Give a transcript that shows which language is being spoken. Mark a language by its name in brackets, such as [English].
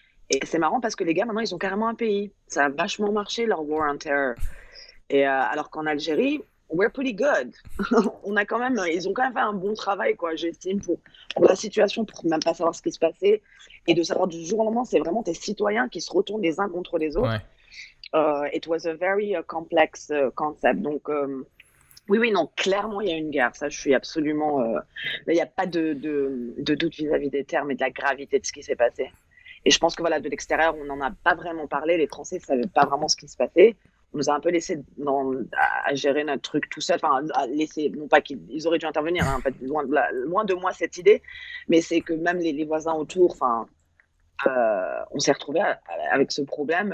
[French] Et c'est marrant parce que les gars, maintenant, ils ont carrément un pays. Ça a vachement marché, leur [English] war on terror. [French] Alors qu'en Algérie, [English] we're pretty good. [French] ils ont quand même fait un bon travail, quoi, j'estime, pour la situation, pour même pas savoir ce qui se passait. Et de savoir du jour au lendemain, c'est vraiment tes citoyens qui se retournent les uns contre les autres. Ouais. [English] It was a very complex concept. [French] Donc, oui, non, clairement, il y a une guerre. Ça, je suis absolument. Il n'y a pas de doute vis-à-vis des termes et de la gravité de ce qui s'est passé. Et je pense que, voilà, de l'extérieur, on n'en a pas vraiment parlé. Les Français ne savaient pas vraiment ce qui se passait. On nous a un peu laissé à gérer notre truc tout seul. Enfin, non pas qu'ils auraient dû intervenir, hein, en fait, loin de moi cette idée, mais c'est que même les voisins autour, enfin, on s'est retrouvés avec ce problème.